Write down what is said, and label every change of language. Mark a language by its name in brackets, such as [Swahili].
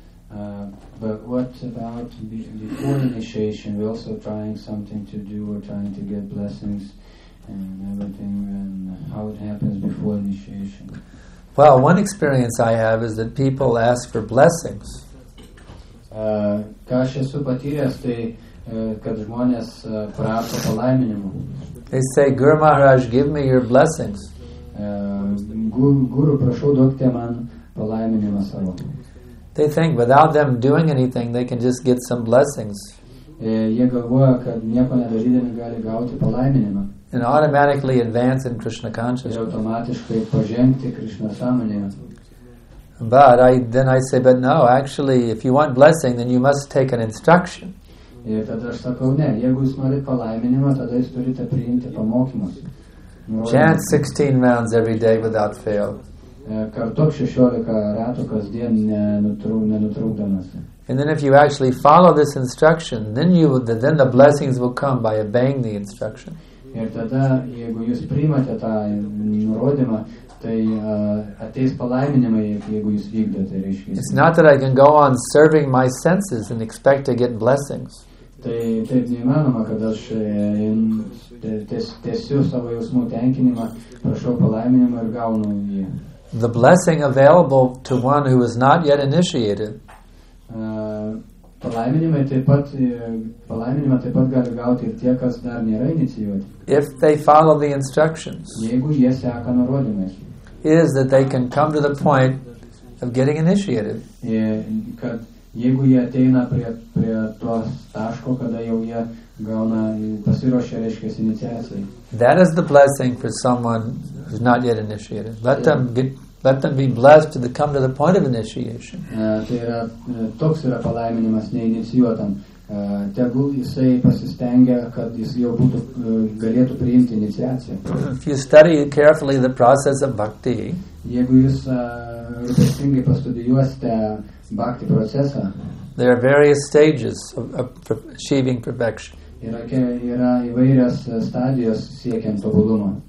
[English] About before initiation, we're also trying something to do or trying to get blessings and everything, and how it happens before initiation. Well, one experience I have is that people ask for blessings. [Lithuanian] Ką aš esu patyręs, tai kad žmonės prašo palaiminimų. [English] They say, Guru Maharaj, give me your blessings. [Lithuanian] Guru, prašau duokite man palaiminimą savo. [English] They think without them doing anything, they can just get some blessings. [Lithuanian] Jie galvoja, kad nieko nedarydami gali gauti palaiminimą. [English] And automatically advance in Krishna consciousness. [Lithuanian] Automatiškai pažengti Krishna sąmonėje. [English] But no, actually, if you want blessing, then you must take an instruction. [Lithuanian] Ir tada aš sakau, ne, jeigu jūs norite palaiminimą, tada jūs turite priimti pamokymus. [English] Chant 16 rounds every day without fail. [Lithuanian] Kartok 16 ratų kasdien nenutrūkdamas. [English] And then if you actually follow this instruction, then the blessings will come by obeying the instruction. [Lithuanian] Ir tada, jeigu jūs priimate tą nurodymą, tai ateis palaiminimai, jeigu jūs vykdote. [English] It's not that I can go on serving my senses and expect to get blessings. [Lithuanian] Tai taip neįmanoma, kad aš tiesiu savo jausmų tenkinimą, prašau palaiminimą ir gaunu jį. [English] The blessing available to one who is not yet initiated. [Lithuanian] Palaiminimą taip pat gali gauti ir tie, kas dar nėra inicijuoti. [English] If they follow the instructions. [Lithuanian] Jeigu jie seka nurodymais. [English] Is that they can come to the point of getting initiated. [Lithuanian] Kad jeigu jie ateina prie to taško, kada jau jie gauna pasiruošę, reiškia, inicijacijai. [English] That is the blessing for someone who's not yet initiated. Let them be blessed to come to the point of initiation. [Lithuanian] Tai yra, toks yra palaiminimas neinicijuotam. Tegul jisai pasistengia, kad jis jau būtų, galėtų priimti iniciaciją. [English] If you study carefully the process of bhakti, [Lithuanian] jeigu jūs rūpestingai pastudijuosite bhakti procesą, [English] there are various stages of achieving perfection. [Lithuanian] Yra įvairios stadijos siekiant tobulumo.